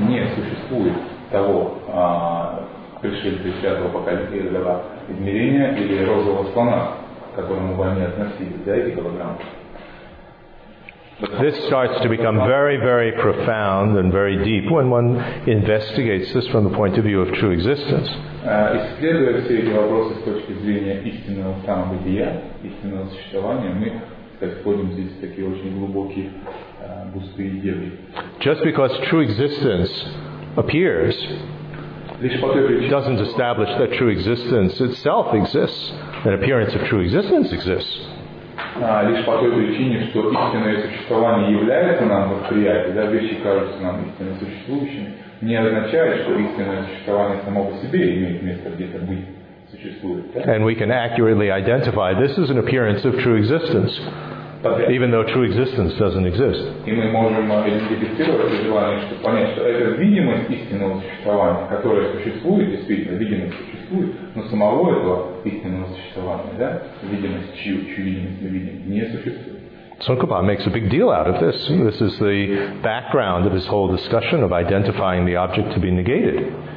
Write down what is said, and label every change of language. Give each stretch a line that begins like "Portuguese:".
Russian: Не существует того пришельца из пятого поколения измерения или розового слона, к которому бы они относились, да, эти голограммы.
English: This starts to become very, very profound and very deep when one investigates this from the point of view of true existence.
Russian: Исследуя все эти вопросы с точки зрения истинного самобытия, истинного существования, мы входим здесь в такие очень глубокие, густые дебри.
English: Just because true existence appears doesn't establish that true existence itself exists. An appearance of true existence exists.
Russian: Лишь по той причине, что истинное существование является нам восприятием, да, вещи кажутся нам истинно существующими, не означает, что истинное существование само по себе имеет место где-то быть, существует. Да?
English: And we can accurately identify this is an appearance of true existence, even though true existence doesn't exist.
Russian: И мы можем идентифицировать желание, чтобы понять, что это видимость истинного существования, которое существует, действительно, видимость существует, но самого этого истинного существования, да, видимость, чью видимость мы видим, не существует.
English: Tsongkhapa makes a big deal out of this. This is the background of his whole discussion of identifying the object to be negated.